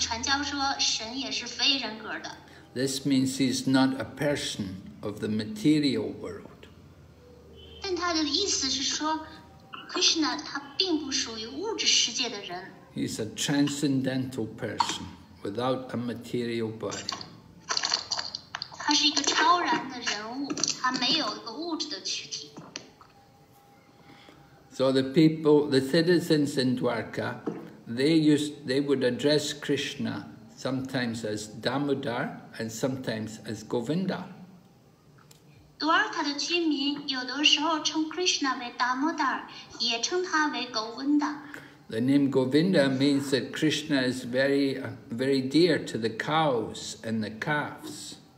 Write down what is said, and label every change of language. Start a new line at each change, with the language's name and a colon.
Chinese: 他也教导传教说神也是非人格的。
English: This means he is not a person of the material world.
Chinese: 但他的意思是说, Krishna他并不属于物质世界的人。
English: He is a transcendental person without a material body.
Chinese: 他是一个超然的人物，他没有一个物质的躯体。
English: So the people, the citizens in Dwarka, they would address Krishna sometimes as Damodar and sometimes as Govinda. The name Govinda means that Krishna is very, very dear to the cows and the calves.